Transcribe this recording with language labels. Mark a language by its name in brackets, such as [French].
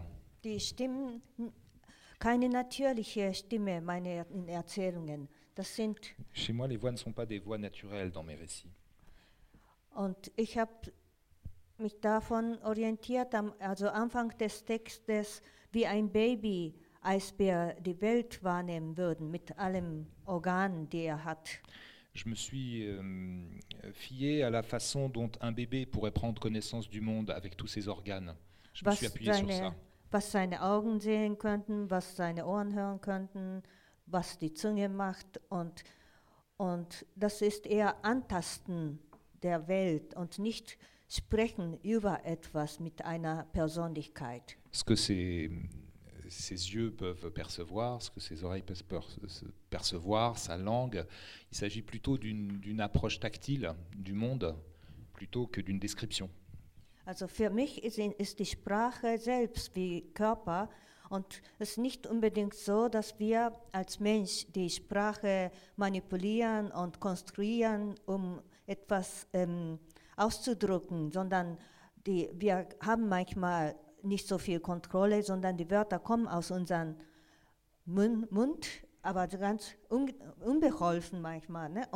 [German] Sind die Stimmen keine natürliche Stimme, meine in Erzählungen. Das sind [French] chez moi, les voix ne sont pas des voix naturelles dans mes récits. [German] Und ich habe mich davon orientiert, also Anfang des Textes, wie ein Baby-Eisbär die Welt wahrnehmen würde, mit allen Organen, die er hat. [French] Je me suis fié à la façon dont un bébé pourrait prendre connaissance du monde avec tous ses organes. Je [German] was [French] me suis appuyé [German] seine, [French] sur ça. [German] Was seine Augen sehen könnten, was seine Ohren hören könnten, was die Zunge macht und das ist eher Antasten der Welt und nicht sprechen über etwas mit einer Persönlichkeit. [French] Ce que ses yeux peuvent percevoir, ce que ses oreilles peuvent percevoir, sa langue. Il s'agit plutôt d'une approche tactile du monde plutôt que d'une description. [German] Also für mich ist die Sprache selbst wie Körper und es ist nicht unbedingt so, dass wir als Mensch die Sprache manipulieren und konstruieren, um etwas auszudrücken, sondern wir haben manchmal nicht so viel Kontrolle, sondern die Wörter kommen aus unserem Mund, aber ganz unbeholfen manchmal. Ne?